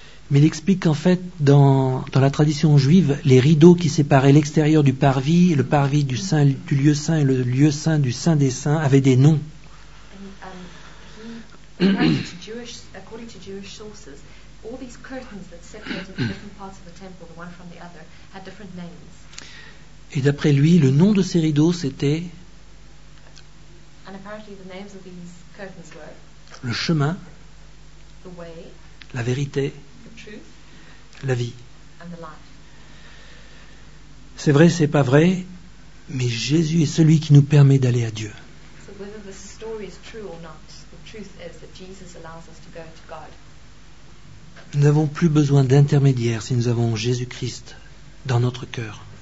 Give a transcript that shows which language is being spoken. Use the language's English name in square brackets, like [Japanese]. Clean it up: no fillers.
[French] Mais il explique qu'en fait, dans la tradition juive, les rideaux qui séparaient l'extérieur du parvis, le parvis du saint, du lieu saint et le lieu saint du saint des saints avaient des noms. [English] According to Jewish sources, all these curtains that separated the different parts of the temple, the one from the other, had different names. [French] Et d'après lui, le nom de ces rideaux c'était. [English] And apparently the names of these curtains were. [French] Le chemin. [English] The way. [French] La vérité. [English] The truth. [French] La vie. [English] And the life. [French] C'est vrai, c'est pas vrai, mais Jésus est celui qui nous permet d'aller à Dieu. [English] So whether the story is true or not. Truth is that Jesus allows us to go to God. [French] Nous n'avons plus besoin d'intermédiaires si nous avons Jésus-Christ dans notre cœur.